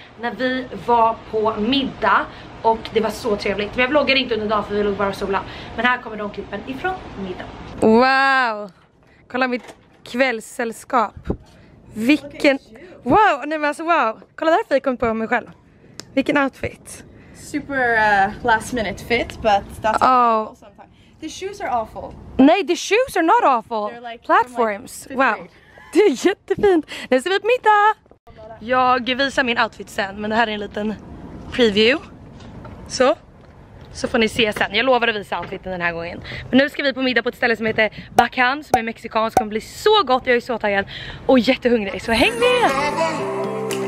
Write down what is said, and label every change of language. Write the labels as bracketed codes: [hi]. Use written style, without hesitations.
[sv] När vi var på middag. Och det var så trevligt. Men jag vloggar inte under dagen för vi låg bara sola. Men här kommer de klippen ifrån middagen. Wow. Kolla mitt kvällssällskap. Vilken. Wow. Nej men alltså wow. Kolla där, fick hon på mig själv. Vilken outfit. [en] Super last minute fit, but that's awful sometimes. The shoes are awful. [sv] Nej, [en] the shoes are not awful. Like, platforms. Like, wow. [sv] Det är jättefint. Nu ser vi på middag. Jag visar min outfit sen, men det här är en liten preview. Så får ni se sen. Jag lovar att visa outfiten den här gången. Men nu ska vi på middag på ett ställe som heter Bacan, som är mexikansk. Det kommer bli så gott. Jag är så taggad och jättehungrig. Så häng med!